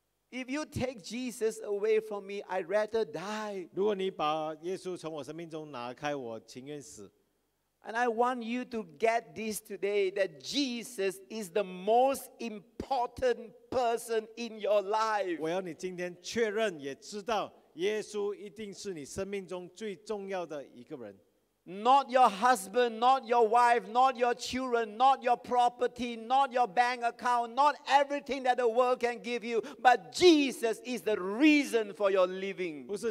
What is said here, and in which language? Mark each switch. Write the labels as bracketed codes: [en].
[en] If you take Jesus away from me, I'd rather die. [zh] 如果你把耶稣从我生命中拿开，我情愿死。 [en] And I want you to get this today, that Jesus is the most important person in your life. [zh] 我要你今天确认也知道，耶稣一定是你生命中最重要的一个人。 [en] Not your husband, not your wife, not your children, not your property, not your bank account, not everything that the world can give you, but Jesus is the reason for your living.